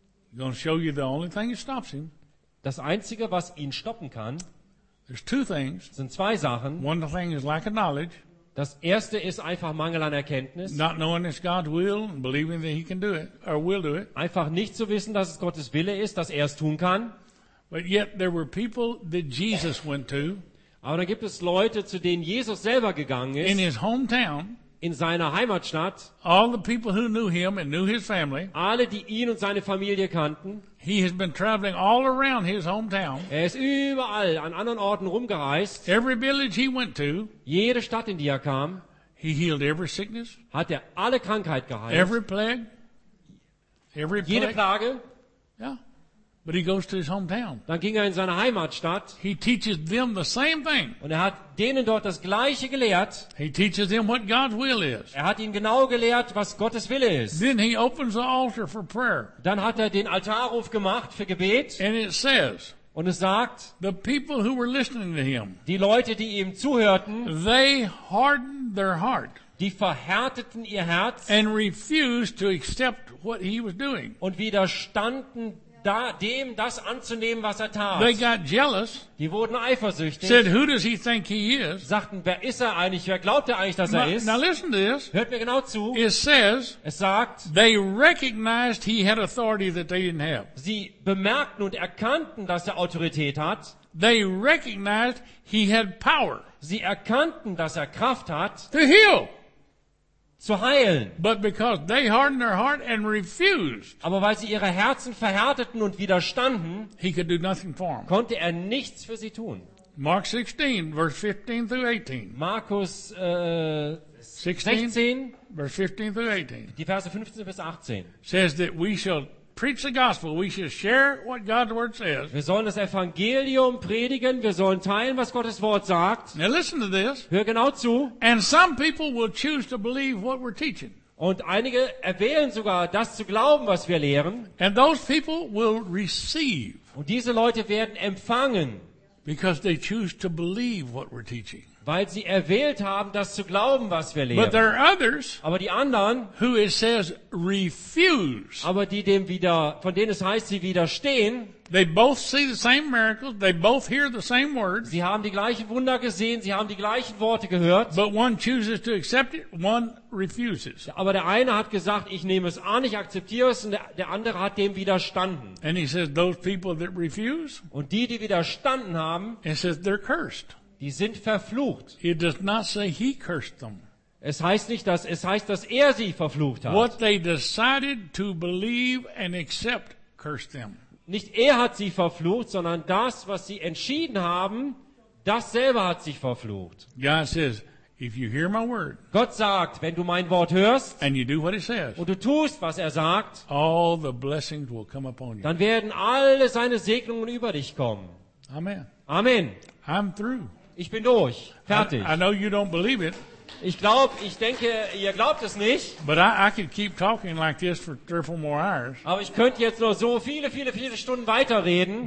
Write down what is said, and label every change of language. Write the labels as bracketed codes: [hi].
[en] He's gonna show you the only thing that stops him. [de] Das Einzige, was ihn stoppen kann, [en] there's two things. [de] Sind zwei Sachen. [en] One thing is lack of knowledge. [de] Das erste ist einfach Mangel an Erkenntnis. [en] Not knowing it's God's will and believing that he can do it or will do it. [de] Einfach nicht zu wissen, dass es Gottes Wille ist, dass er es tun kann. [en] But yet there were people that Jesus went to. [de] Aber da gibt es Leute, zu denen Jesus selber gegangen ist. [en] In his hometown. [de] In seiner Heimatstadt. [en] All the people who knew him and knew his family. [de] Alle, die ihn und seine Familie kannten. [en] He has been traveling all around his hometown. [de] Er ist überall an anderen Orten rumgereist. [en] Every village he went to. [de] Jede Stadt, in die er kam. [en] He healed every sickness. [de] Hat er alle Krankheit geheilt. [en] Every plague. Every [de] jede Plage. [en] Yeah. But he goes to his hometown. [de] Dann ging er in seine Heimatstadt. [en] He teaches them the same thing. [de] Und er hat denen dort das Gleiche gelehrt. [en] He teaches them what God's will is. [de] Er hat ihnen genau gelehrt, was Gottes Wille ist. [en] Then he opens the altar for prayer. [de] Dann hat er den Altarruf gemacht für Gebet. [en] And it says, [de] und es sagt, [en] the people who were listening to him, [de] die Leute, die ihm zuhörten, [en] they hardened their heart. [de] Die verhärteten ihr Herz. [en] And refused to accept what he was doing. [de] Und widerstanden da, dem das anzunehmen, was er tat. [en] They got jealous, [de] die wurden eifersüchtig. [en] Said, who does he think he is? [de] Sagten, wer ist er eigentlich? Wer glaubt er eigentlich, dass er ist? [en] Now listen to this. [de] Hört mir genau zu. [en] It says, [de] es sagt, [en] they recognized he had authority that they didn't have. [de] Sie bemerkten und erkannten, dass er Autorität hat. [en] They recognized he had power. [de] Sie erkannten, dass er Kraft hat. [en] To heal. [de] Zu heilen. [en] But because they hardened their heart and refused, [de] aber weil sie ihre Herzen verhärteten und widerstanden, [en] he could do nothing for them. [de] Konnte er nichts für sie tun. [en] Mark 16, verse 15 through 18. [de] Markus 16, [en] verse 15 through 18. [de] Die Verse 15 bis 18. [en] Says that we shall preach the gospel. We shall share what God's word says. [de] Wir sollen das Evangelium predigen. Wir sollen teilen, was Gottes Wort sagt. [en] Now listen to this. [de] Hör genau zu. [en] And some people will choose to believe what we're teaching. [de] Und einige erwählen sogar, das zu glauben, was wir lehren. [en] And those people will receive. [de] Und diese Leute werden empfangen. [en] Because they choose to believe what we're teaching. [de] Weil sie erwählt haben, das zu glauben, was wir lehren. [en] But there are others, [de] aber die anderen, [en] who it says refuse, [de] aber die dem wieder, von denen es heißt, sie widerstehen, [en] they both see the same miracles, they both hear the same words, [de] sie haben die gleichen Wunder gesehen, sie haben die gleichen Worte gehört, [en] but one chooses to accept it, one refuses. [de] Aber der eine hat gesagt, ich nehme es an, ich akzeptiere es, und der andere hat dem widerstanden. [en] And he says, those people that refuse, [de] und die, die widerstanden haben, [en] it says they're cursed. [de] Die sind verflucht. [en] It does not say he cursed them. [de] Es heißt nicht, dass es heißt, dass er sie verflucht hat. [en] What they decided to believe and accept cursed them. [de] Nicht er hat sie verflucht, sondern das, was sie entschieden haben, das selber hat sich verflucht. [en] God says, if you hear my word, [de] Gott sagt, wenn du mein Wort hörst, [en] and you do what it says, [de] und du tust, was er sagt, [en] all the blessings will come upon you. [de] Dann werden alle seine Segnungen über dich kommen. [en] Amen. [de] Amen. [en] I'm through. [de] Ich bin durch. Fertig. [en] I know you don't believe it. [de] Ich denke, ihr glaubt es nicht. [en] But I could keep talking like this for three or four more hours. [de] Aber ich könnte jetzt noch so viele, viele, viele Stunden weiterreden.